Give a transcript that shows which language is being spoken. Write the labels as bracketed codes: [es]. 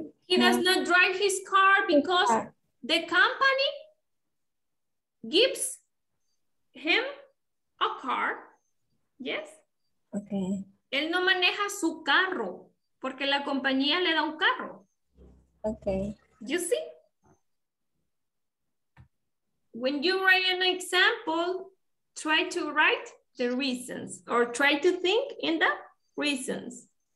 [en] He does not drive his car because the company gives him a car, yes. Okay. [es] Él no maneja su carro porque la compañía le da un carro. [en] Okay. You see? When you write an example, try to write the reasons or try to think in the reasons.